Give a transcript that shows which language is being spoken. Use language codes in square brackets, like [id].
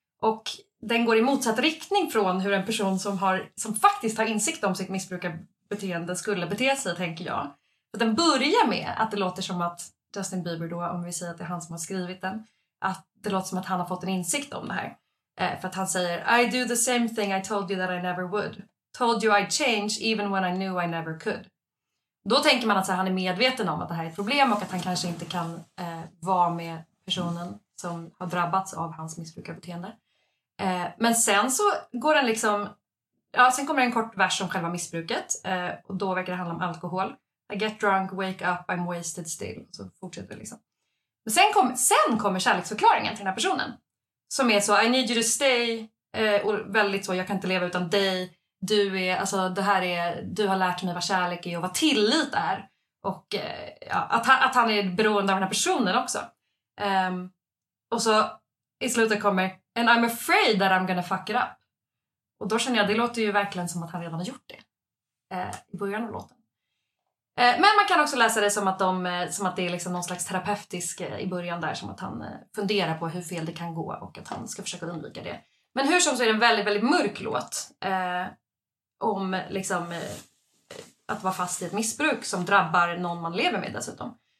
[sv] Och den går i motsatt riktning från hur en person som faktiskt har insikt om sitt missbrukarbeteende skulle bete sig, tänker jag. För att den börjar med att det låter som att Justin Bieber då, om vi säger att det är han som har skrivit den. att det låter som att han har fått en insikt om det här. För att han säger, [en] I do the same thing I told you that I never would. Told you I'd change even when I knew I never could. [sv] Då tänker man att han är medveten om att det här är ett problem och att han kanske inte kan vara med personen som har drabbats av hans missbrukarbeteende. Men sen så går den liksom, ja, sen kommer en kort vers om själva missbruket och då verkar det handla om alkohol. [en] I get drunk, wake up, I'm wasted still. [sv] Så fortsätter det liksom. Men sen kommer kärleksförklaringen till den här personen som är så, [en] I need you to stay, [sv] och väldigt så, jag kan inte leva utan dig. Du är, alltså det här är, du har lärt mig vad kärlek är och vad tillit är. Och ja, att han är beroende av den här personen också. Och så i slutet kommer, [en] and I'm afraid that I'm gonna fuck it up. [sv] Och då känner jag, det låter ju verkligen som att han redan har gjort det. I början av låten. Men man kan också läsa det som att, som att det är liksom någon slags terapeutisk i början där. Som att han funderar på hur fel det kan gå och att han ska försöka undvika det. Men hur som så är det en väldigt, väldigt mörk låt. Om liksom att vara fast i ett missbruk som drabbar någon man lever med dessutom.